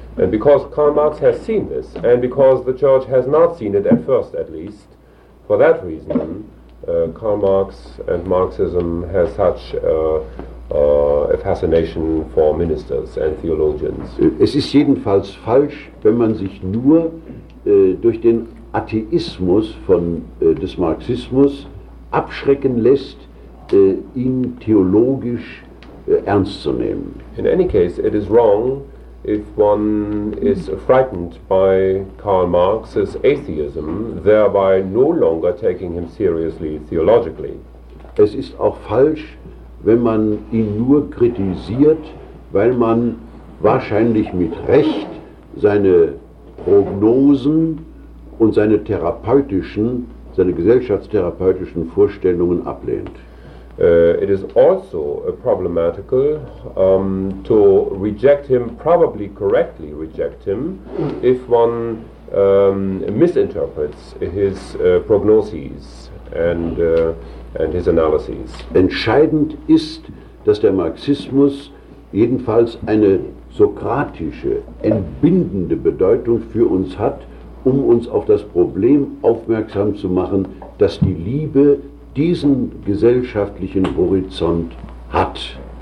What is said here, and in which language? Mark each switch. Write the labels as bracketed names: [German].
[English] And because Karl Marx has seen this, and because the church has not seen it at first, at least, for that reason, Karl Marx and Marxism has such a fascination for ministers and theologians. [German] Es ist jedenfalls falsch, wenn man sich nur durch den Atheismus von des Marxismus abschrecken lässt, ihn theologisch ernst zu nehmen. [English] In any case, it is wrong if one is frightened by Karl Marx's atheism, thereby no longer taking him seriously theologically. [German] Es ist auch falsch, wenn man ihn nur kritisiert, weil man wahrscheinlich mit Recht seine Prognosen und seine therapeutischen, seine gesellschaftstherapeutischen Vorstellungen ablehnt. [English] It is also problematical to reject him, probably correctly reject him, if one misinterprets his prognoses and his analyses. [German] Entscheidend ist, dass der Marxismus jedenfalls eine sokratische, entbindende Bedeutung für uns hat, um uns auf das Problem aufmerksam zu machen, dass die Liebe diesen gesellschaftlichen Horizont hat.